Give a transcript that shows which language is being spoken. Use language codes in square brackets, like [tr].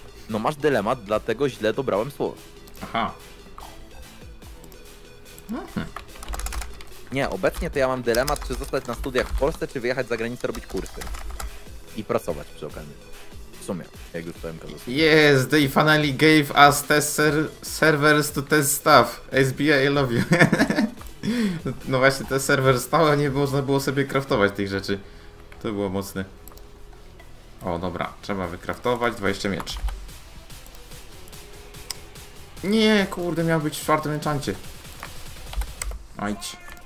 [pl] No masz dylemat, dlatego źle dobrałem słowo. Aha. Nie, obecnie to ja mam dylemat, czy zostać na studiach w Polsce, czy wyjechać za granicę robić kursy. I pracować przy okazji. W sumie, jak już powiem, kazał. [en] Yes, they finally gave us test servers to test stuff. SBI, I love you. [pl] No właśnie, te serwer stał, a nie można było sobie craftować tych rzeczy. To było mocne. O, dobra, trzeba wycraftować 20 mieczy. Nie, kurde, miał być w czwartym enchancie. Ajdź.